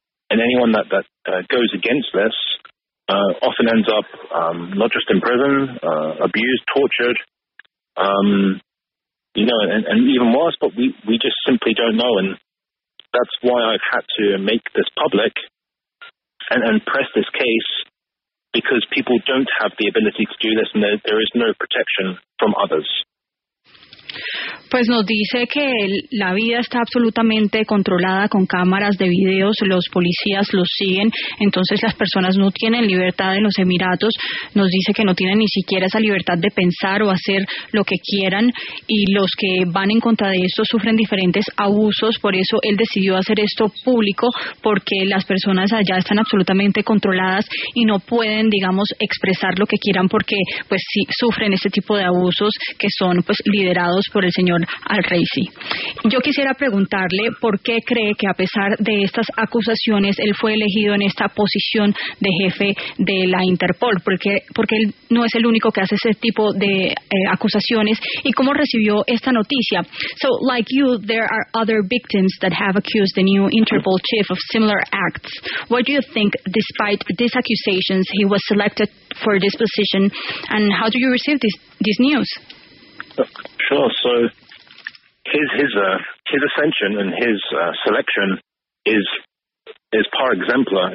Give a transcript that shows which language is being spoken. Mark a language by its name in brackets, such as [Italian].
[English] And anyone that goes against this often ends up not just in prison, abused, tortured, you know, and even worse, but we just simply don't know. And that's why I've had to make this public and press this case, because people don't have the ability to do this, and there is no protection from others. [Spanish] Pues nos dice que la vida está absolutamente controlada con cámaras de videos, los policías los siguen, entonces las personas no tienen libertad en los Emiratos, nos dice que no tienen ni siquiera esa libertad de pensar o hacer lo que quieran, y los que van en contra de esto sufren diferentes abusos, por eso él decidió hacer esto público, porque las personas allá están absolutamente controladas y no pueden, digamos, expresar lo que quieran, porque pues sí, sufren ese tipo de abusos que son pues liderados por el señor Al-Raisi. Yo quisiera preguntarle por qué cree que a pesar de estas acusaciones él fue elegido en esta posición de jefe de la Interpol, porque él no es el único que hace ese tipo de acusaciones, y cómo recibió esta noticia. [English] So, like you, there are other victims that have accused the new Interpol chief of similar acts. What do you think, despite these accusations, he was selected for this position, and how do you receive this news? Sure. So his ascension and his selection is par exemplar.